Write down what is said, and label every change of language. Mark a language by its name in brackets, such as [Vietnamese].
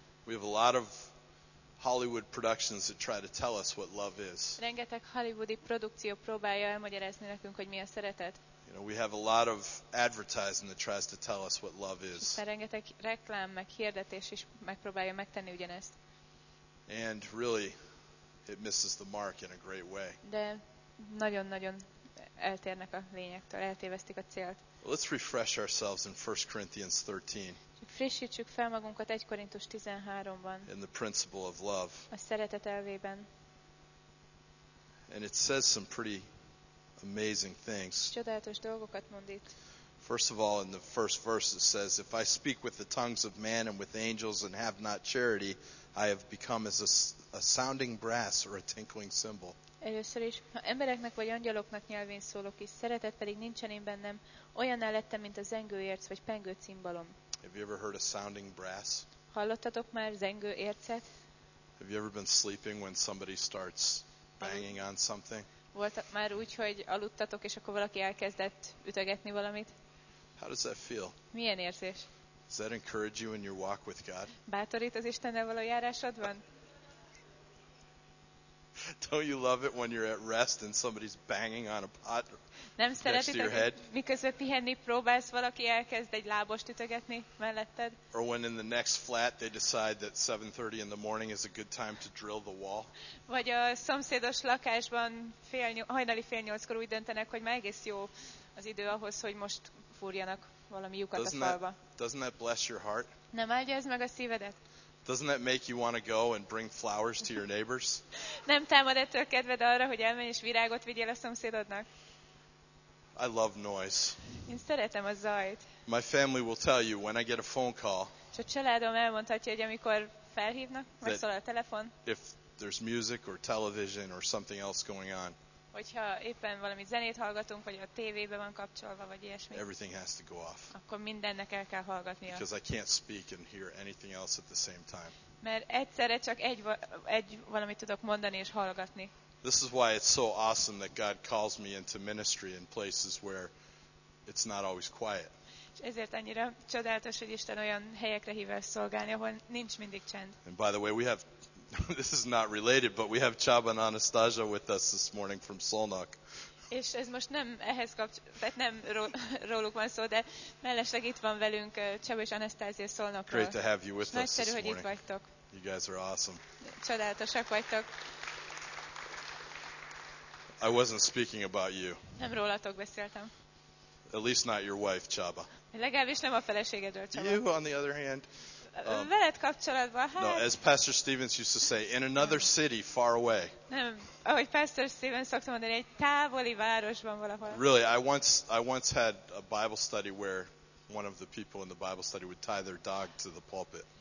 [English] We have a lot of Hollywood productions that try to tell us what love is. [Hungarian] Rengeteg hollywoodi produkció próbálja elmagyarázni nekünk, hogy mi a szeretet. [English] You know, we have a lot of advertising that tries to tell us what love is. [Hungarian] Rengeteg reklám meg hirdetés is megpróbálja megtenni ugyanezt. [English] And really, it misses the mark in a great way. [Hungarian] De nagyon-nagyon eltérnek a lényektől, eltévesztik a célt. [English] Let's refresh ourselves in 1 Corinthians 13. [Hungarian] Frissítsük fel magunkat 1 Korintus 13-ban. [English] In the principle of love. [Hungarian] A szeretet elvében. [English] And it says some pretty amazing things. [Hungarian] Csodálatos dolgokat mond itt. [English] First of all, in the first verse it says, if I speak with the tongues of man and with angels and have not charity, I have become as a sounding brass or a tinkling cymbal. [Hungarian] Először is, ha embereknek vagy angyaloknak nyelvén szólok is, szeretet pedig nincsen én bennem, olyanná lettem, mint a zengő érc vagy pengő cimbalom. [English] Have you ever heard a sounding brass? [Hungarian] Hallottatok már zengő ércet? [English] Have you ever been sleeping when somebody starts banging on something? [Hungarian] Volt már úgy, hogy aludtatok, és akkor valaki elkezdett ütögetni valamit? [English] How does that feel? [Hungarian] Milyen érzés? [English] Does that encourage you in your walk with God? [Hungarian] Bátorít az Istennel való járásodban? [English] Don't you love it when you're at rest and somebody's banging on a pot? [Hungarian] Nem szeretitek, miközben pihenni próbálsz, valaki elkezd egy lábost ütögetni melletted? [English] Or when in the next flat they decide that 7:30 in the morning is a good time to drill the wall? [Hungarian] Vagy a szomszédos lakásban hajnali fél nyolckor úgy döntenek, hogy már egész jó az idő ahhoz, hogy most fúrjanak valami lyukat a falba. [English] Doesn't that bless your heart? [Hungarian] Nem áldja ez meg a szívedet? [English] Doesn't that make you want to go and bring flowers to your neighbors? [Hungarian] Nem támad ettől kedved arra, hogy elmenj és virágot vigyél a szomszédodnak? [English] I love noise. [Hungarian] Én szeretem a zajt. [English] My family will tell you when I get a phone call. [Hungarian] És a családom elmondhatja, hogy amikor felhívnak, vagy szól a telefon. [English] If there's music or television or something else going on. [Hungarian] Hogyha éppen valami zenét hallgatunk, vagy a tévébe van kapcsolva, vagy ilyesmi. [English] Everything has to go off. [Hungarian] Akkor mindennek el kell hallgatnia. [English] Because I can't speak and hear anything else at the same time. [Hungarian] Mert egyszerre csak egy valamit tudok mondani és hallgatni. [English] This is why it's so awesome that God calls me into ministry in places where it's not always quiet. [Hungarian] És ezért annyira csodálatos, hogy Isten olyan helyekre hív el szolgálni, ahol nincs mindig csend. [English] And by the way, we have this is not related, but we have Csaba and Anastasia with us this morning from Szolnok. [Hungarian] És ez most nem ehhez kapcsolódik, nem róluk van szó, de mellesleg itt van velünk Csaba és Anastasia Szolnokról. [English] Great to have you with us this morning. [Hungarian] Hogy itt vagytok. [English] You guys are awesome. [Hungarian] Csodálatosak vagytok. [English] I wasn't speaking about you. [Hungarian] Nem rólatok beszéltem. [English] At least not your wife, Csaba. [Hungarian] Legalábbis nem a feleségedről, Csaba. [English] You, on the other hand. [Hungarian] Veled kapcsolatban, hát... [English] No, as Pastor Stevens used to say, in another city far away. [Hungarian] Nem, ahogy Pastor Stevens szokta mondani, egy távoli városban valahol. [English] Really, I once had a Bible study where one of the people in the Bible study would tie their dog to the pulpit.